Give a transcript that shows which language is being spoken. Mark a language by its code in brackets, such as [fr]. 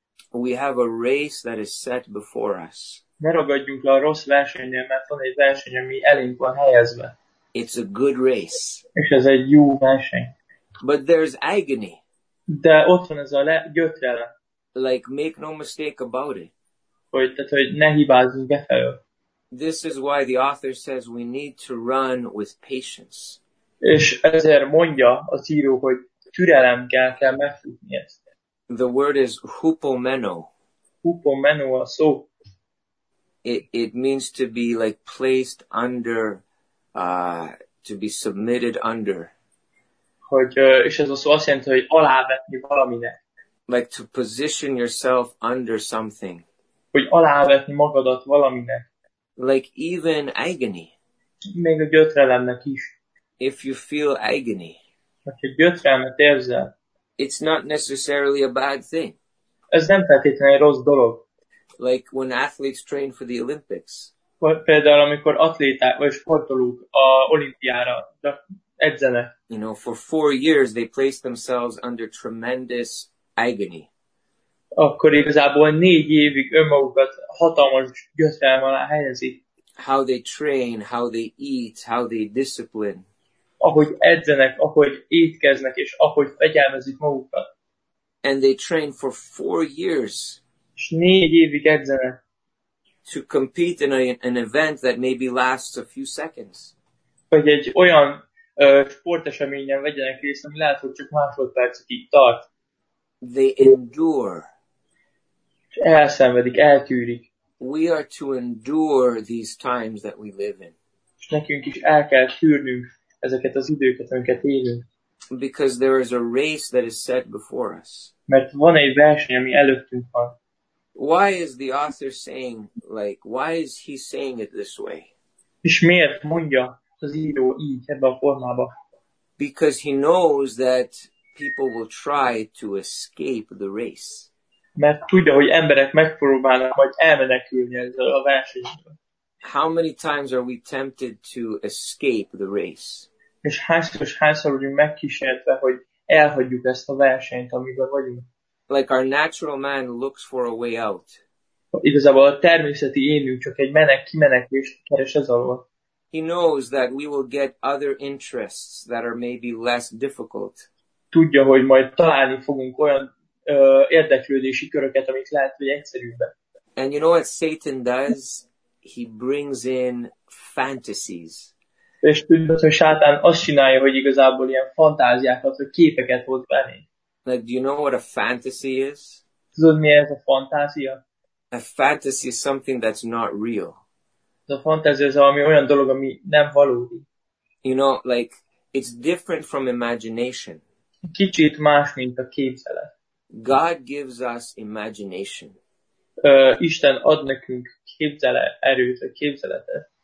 [en] We have a race that is set before us. [hu] Ne ragadjunk le a rossz versenynél, mert van egy verseny, ami elénk van helyezve. [en] It's a good race. [hu] És ez egy jó verseny. [en] But there's agony. [hu] De ott van ez a gyötrelem. [en] Like, make no mistake about it. [hu] Hogy ne hibázzunk befelől. [en] This is why the author says we need to run with patience. [hu] És ezért mondja az író, hogy türelem kell megfutni ezt. [en] The word is hupomeno. [hu] Hupomeno a szó. [en] It means to be like placed under, to be submitted under. [hu] Hogy, és ez a szó azt jelenti, hogy alávetni valaminek. [en] Like to position yourself under something. [hu] Hogy alávetni magadat valaminek. [en] Like even agony. [hu] Még a gyötrelemnek is. [en] If you feel agony. [hu] Hogyha gyötrelmet érzel. [en] It's not necessarily a bad thing. [hu] Ez nem feltétlenül egy rossz dolog. [en] Like when athletes train for the Olympics. [hu] Például amikor atléták vagy sportolók a olimpiára edzenek. [en] You know, for 4 years they place themselves under tremendous agony. [hu] Akkor igazából 4 évig önmagukat hatalmas gyötrelem alá helyezik. [en] How they train, how they eat, how they discipline. [hu] Ahogy edzenek, ahogy étkeznek, és ahogy fegyelmezik magukat. [en] And they train for 4 years. [hu] És 4 évig edzenek. [en] To compete in an event that maybe lasts a few seconds. [hu] Vagy egy olyan sporteseményen vegyenek részt, ami lehet, hogy csak másodpercig tart. [en] They endure. [hu] És elszenvedik, eltűrik. [en] We are to endure these times that we live in. [hu] És nekünk is el kell tűrnünk ezeket az időket, amiket élünk. [en] Because there is a race that is set before us. [hu] Mert van egy verseny, ami előttünk van. [en] Why is the author saying, like, why is he saying it this way? [hu] És miért mondja az író így, ebben a formában? [en] Because he knows that people will try to escape the race. [hu] Mert tudja, hogy emberek megpróbálnak majd elmenekülni ezzel a versenyből. [en] How many times are we tempted to escape the race? [hu] És hányszor vagyunk megkísértve, hogy elhagyjuk ezt a versenyt, amiben vagyunk. [en] Like our natural man looks for a way out. [hu] Igazából a természeti énünk csak egy kimenekülést keres ez alól. [en] He knows that we will get other interests that are maybe less difficult. [hu] Tudja, hogy majd találni fogunk olyan érdeklődési köröket, amik lehet, hogy egyszerűbbek. [en] And you know what Satan does? He brings in fantasies. [hu] És tudod, hogy Sátán azt csinálja, hogy igazából ilyen fantáziákat, vagy képeket hoz belé. [en] Like, do you know what a fantasy is? [hu] Tudod, mi ez a fantázia? [en] A fantasy is something that's not real. [hu] A fantázia az valami olyan dolog, ami nem valódi. [en] You know, like, it's different from imagination. [hu] Kicsit más, mint a képzelet. [en] God gives us imagination. [hu] Isten ad nekünk képzelet erőt, a képzeletet.